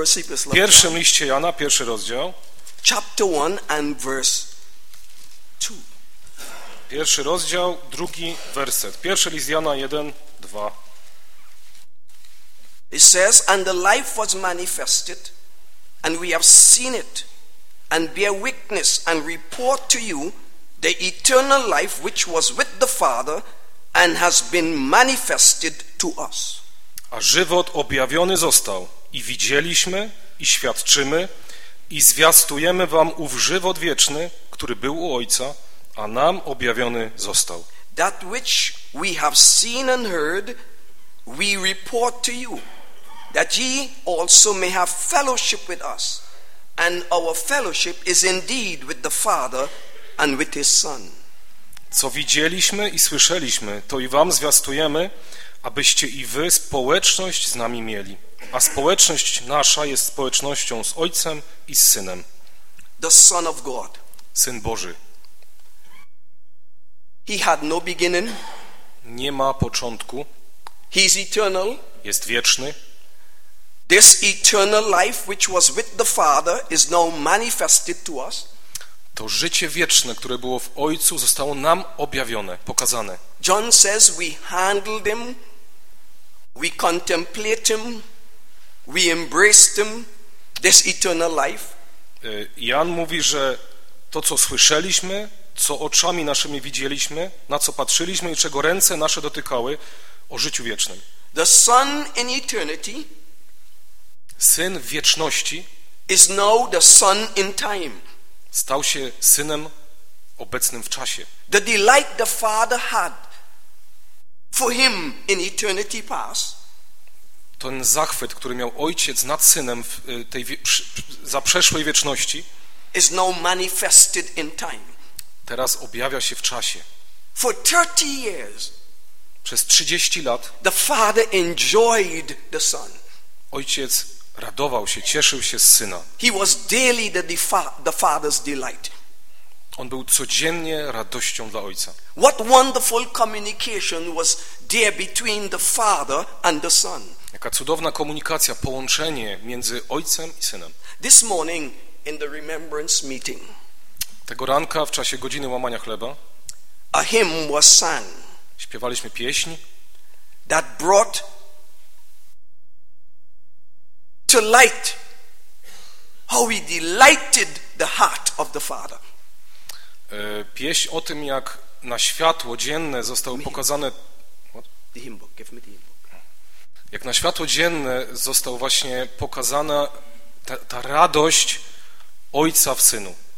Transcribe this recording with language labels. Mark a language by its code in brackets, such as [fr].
[pl] W pierwszym liście Jana, pierwszy rozdział. [en] Chapter 1 and verse 2. [pl] Pierwszy rozdział, drugi werset. Pierwszy list Jana 1, 2. [en] It says, and the life was manifested, and we have seen it, and bear witness, and report to you the eternal life which was with the Father and has been manifested to us. [pl] A żywot objawiony został, i widzieliśmy, i świadczymy, i zwiastujemy wam ów żywot wieczny, który był u Ojca, a nam objawiony został. [en] That which we have seen and heard, we report to you, that ye also may have fellowship with us, and our fellowship is indeed with the Father and with his Son. [pl] Co widzieliśmy i słyszeliśmy, to i wam zwiastujemy, abyście i wy społeczność z nami mieli. A społeczność nasza jest społecznością z Ojcem i z Synem. [en] The Son of God. [pl] Syn Boży. [en] He had no beginning. [pl] Nie ma początku. [en] He is eternal. [pl] Jest wieczny. [en] This eternal life which was with the Father is now manifested to us. [pl] To życie wieczne, które było w Ojcu, zostało nam objawione, pokazane. [en] John says we handled him, we contemplate him, we embraced him, this eternal life. [pl] Jan mówi, że to, co słyszeliśmy, co oczami naszymi widzieliśmy, na co patrzyliśmy i czego ręce nasze dotykały, o życiu wiecznym. [en] The Son in eternity, [pl] Syn w wieczności, [en] is now the Son in time. [pl] Stał się Synem obecnym w czasie. [en] The delight the Father had for him in eternity past. [pl] Ten zachwyt, który miał Ojciec nad Synem w tej za przeszłej wieczności, [en] is now manifested in time. [pl] Teraz objawia się w czasie. [en] For 30 years, [pl] przez 30 lat [en] the Father enjoyed the Son. [pl] Ojciec radował się, cieszył się z Syna. [en] He was daily the Father's delight. [pl] On był codziennie radością dla Ojca. [en] What wonderful communication was there between the Father and the Son. [pl] Jaka cudowna komunikacja, połączenie między Ojcem i Synem. [en] This morning in the remembrance meeting, [pl] tego ranka w czasie godziny łamania chleba, [en] a hymn was sung, [pl] śpiewaliśmy pieśń, [en] that brought to light how we delighted the heart of the Father. [pl] Pieśń o tym, jak na światło dzienne zostały pokazane. [en] The hymn book. Give me the hymn book. [pl] Jak na światło dzienne został właśnie pokazana ta radość Ojca w Synu.